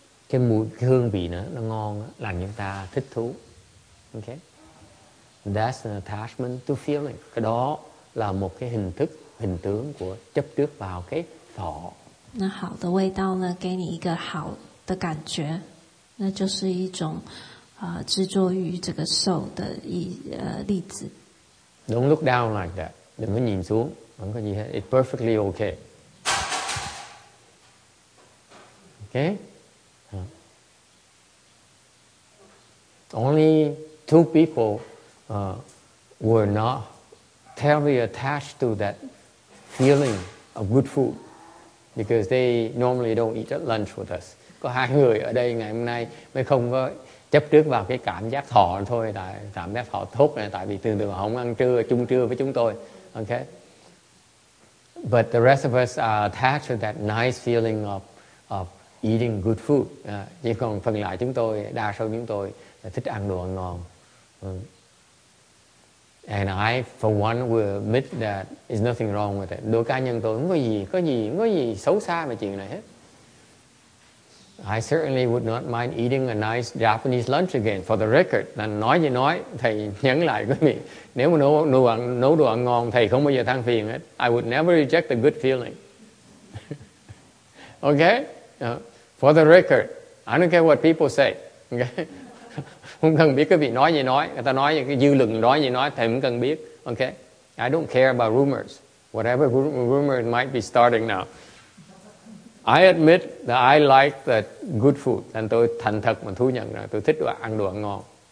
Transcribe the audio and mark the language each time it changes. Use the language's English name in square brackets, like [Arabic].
[Vietnamese] Cái mùi, cái hương vị nữa, nó ngon, làm chúng ta thích thú. Okay? [English] That's an attachment to feeling. [Vietnamese] Cái đó là một cái hình thức, hình tướng của chấp trước vào cái thọ. [Chinese] 那好的味道呢, 给你一个好的感觉, 那就是一种, 执着于这个受的一, 例子. [English] Don't look down like that. [Chinese] 等于你说, 等于你说, [English] it's perfectly okay. Okay? Only two people were not terribly attached to that feeling of good food because they normally don't eat at lunch with us. [Vietnamese] Có hai người ở đây ngày hôm nay mới không có chấp trước vào cái cảm giác thọ thôi, tại cảm giác thọ tốt này, tại vì thường thường họ không ăn trưa, chung trưa với chúng tôi. [English] Okay. But the rest of us are attached to that nice feeling of eating good food. [Vietnamese] Chỉ còn phần lại chúng tôi, đa số chúng tôi thích ăn đồ ăn ngon. [English] And I, for one, will admit that there's nothing wrong with it. [Vietnamese] Đối cá nhân tôi, không có gì xấu xa về chuyện này hết. [English] I certainly would not mind eating a nice Japanese lunch again, for the record. [Vietnamese] Nói gì nói, thầy nhấn lại quý vị. Nếu mà nấu đồ ăn ngon, thầy không bao giờ than phiền hết. [English] I would never reject the good feeling. Okay? For the record, I don't care what people say. Okay? [Vietnamese] Không cần biết cái vị nói gì nói, người ta nói cái dư luận nói gì nói, thầy cũng cần biết. [English] Okay, I don't care about rumors, whatever rumor might be starting now. I admit that I like the good food, [Vietnamese] nên tôi thành thật mà thú nhận rằng tôi thích ăn đồ ăn ngon.